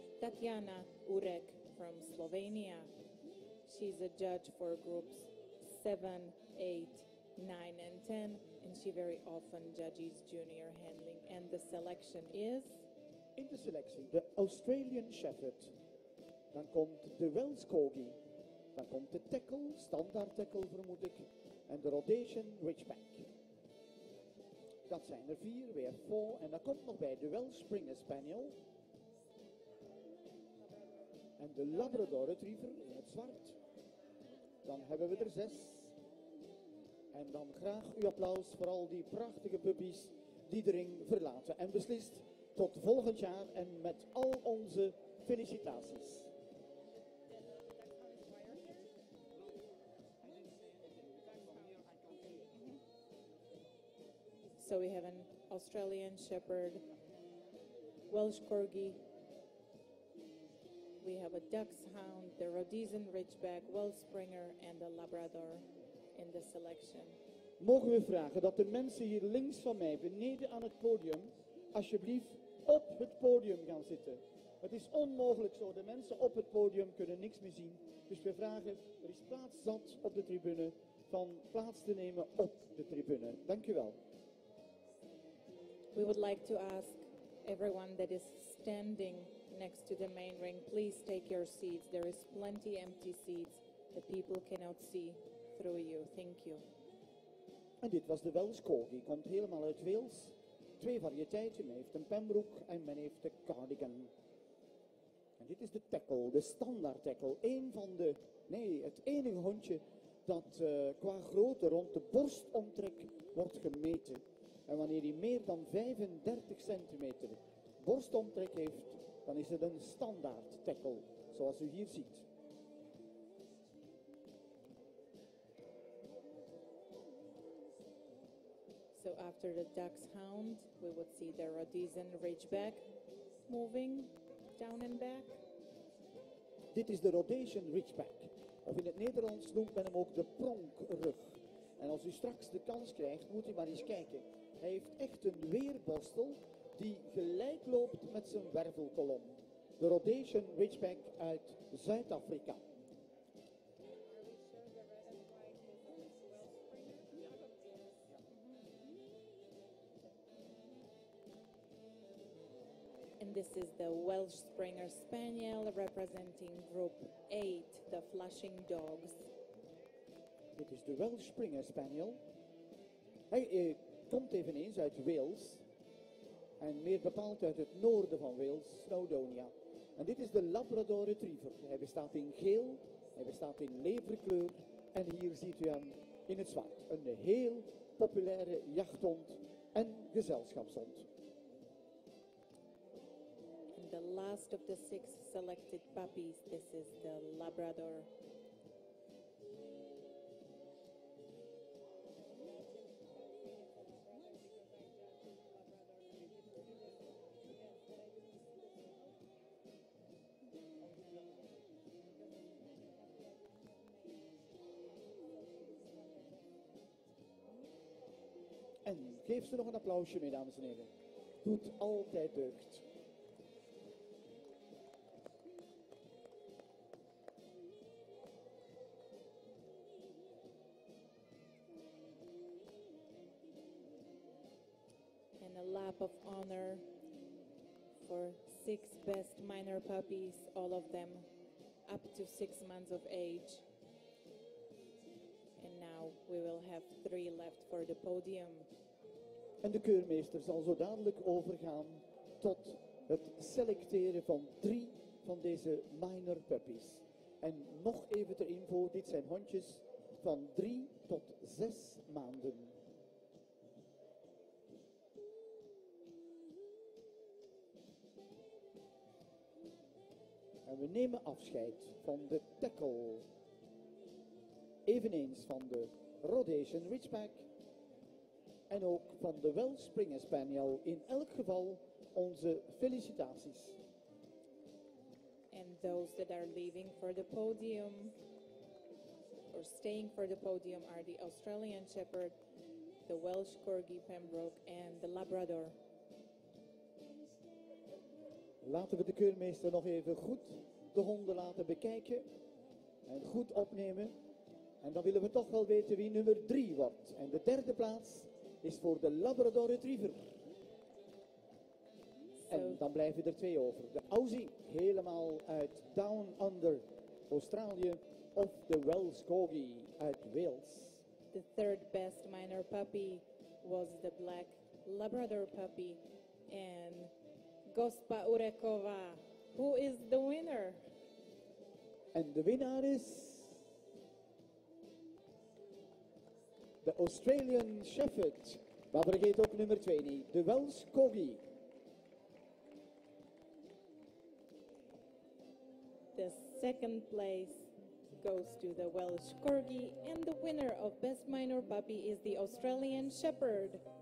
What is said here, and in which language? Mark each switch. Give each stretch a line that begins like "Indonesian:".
English: Tatjana Urek from Slovenia. She's a judge for groups 7, 8, 9 and 10, and she very often judges junior handling. And the selection is? In the selection, the Australian Shepherd.
Dutch: Dan komt de Welsh Corgi. Dan komt de tackle, standaard tackle vermoed ik. En de Rhodesian Ridgeback. Dat zijn er 4, we hebben 4 en dat komt nog bij de Welsh Springer Spaniel. En de Labrador Retriever in het zwart. Dan hebben we er 6. En dan graag uw applaus voor al die prachtige puppies die de ring verlaten. En beslist tot volgend jaar en met al onze felicitaties.
English: So we have an Australian Shepherd, Welsh Corgi, we have a Dachshund, the Rhodesian Ridgeback, Welsh Springer and the Labrador in the selection.
Dutch: Mogen we vragen dat de mensen hier links van mij, beneden aan het podium, alsjeblieft op het podium gaan zitten. Het is onmogelijk zo, de mensen op het podium kunnen niks meer zien. Dus we vragen, er is plaats zat op de tribune, van plaats te nemen op de tribune. Dank u wel.
English: We would like to ask everyone that is standing next to the main ring, please take your seats. There is plenty empty seats that people cannot see through you. Thank you.
Dutch: En dit was de Welsh Corgi. Komt helemaal uit Wales. 2 variëteiten. Men heeft een Pembroek en men heeft de cardigan. En dit is de tackle, de standaard tackle. Het enige hondje dat qua grootte rond de borstomtrek wordt gemeten. En wanneer hij meer dan 35 centimeter borstomtrek heeft, dan is het een standaard tackle, zoals u hier ziet.
English: So after the Dachshund, we would see the Rhodesian Ridgeback moving down and back.
Dutch: Dit is de Rhodesian Ridgeback. Of in het Nederlands noemt men hem ook de pronkrug. En als u straks de kans krijgt, moet u maar eens kijken. Hij heeft echt een weerborstel die gelijk loopt met zijn wervelkolom. De Rhodesian Ridgeback uit Zuid-Afrika.
English: And this is the Welsh Springer Spaniel representing group 8, the Flushing Dogs.
Dutch: Dit is de Welsh Springer Spaniel. Hij komt eveneens uit Wales en meer bepaald uit het noorden van Wales, Snowdonia. En dit is de Labrador Retriever. Hij bestaat in geel, hij bestaat in leverkleur en hier ziet u hem in het zwart. Een heel populaire jachthond en gezelschapshond.
English: And the last of the 6 selected puppies, this is the Labrador.
Dutch: En geef ze nog een applausje mee, dames en heren. Doet altijd deugd.
English: lap of honor for 6 best minor puppies, all of them up to 6 months of age. And now we will have 3 left for the podium.
Dutch: En de keurmeester zal zo dadelijk overgaan tot het selecteren van 3 van deze minor puppies. En nog even ter info, dit zijn hondjes van 3 tot 6 maanden. En we nemen afscheid van de tackle, eveneens van de Rhodesian Ridgeback en ook van de Wellspringer Spaniel. In elk geval onze felicitaties.
English: And those that are leaving for the podium or staying for the podium are the Australian Shepherd, the Welsh Corgi Pembroke and the Labrador.
Dutch: Laten we de keurmeester nog even goed de honden laten bekijken en goed opnemen. En dan willen we toch wel weten wie nummer 3 wordt. En de derde plaats is voor de Labrador Retriever. En dan blijven er 2 over. De Aussie, helemaal uit Down Under, Australië. Of de Welsh Corgi uit Wales.
English: The third best minor puppy was the Black Labrador puppy. En Gospa Urekova, who is the winner?
Dutch: En de winnaar is de Australian Shepherd. Maar vergeet ook nummer 2 niet, de Welsh Corgi.
English: The second place goes to the Welsh Corgi. And the winner of Best Minor Puppy is the Australian Shepherd.